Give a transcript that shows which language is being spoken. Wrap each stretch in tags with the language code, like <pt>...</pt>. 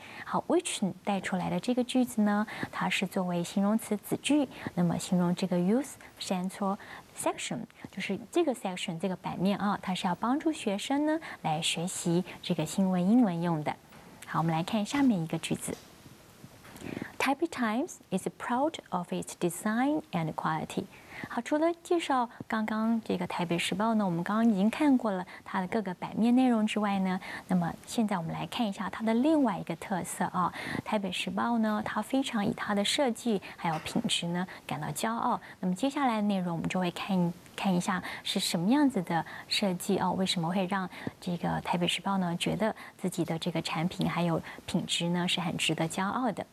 <zh>好 ，which 带出来的这个句子呢，它是作为形容词子句，那么形容这个 Youth Central section， 就是这个 section 这个版面啊，它是要帮助学生呢来学习这个新闻英文用的。好，我们来看下面一个句子。</zh> <en>Taipei Times is proud of its design and quality.</en> <zh>好，除了介绍刚刚这个台北时报呢，我们刚刚已经看过了它的各个版面内容之外呢，那么现在我们来看一下它的另外一个特色啊。台北时报呢，它非常以它的设计还有品质呢感到骄傲。那么接下来的内容我们就会看一下是什么样子的设计啊，为什么会让这个台北时报呢觉得自己的这个产品还有品质呢是很值得骄傲的。</zh>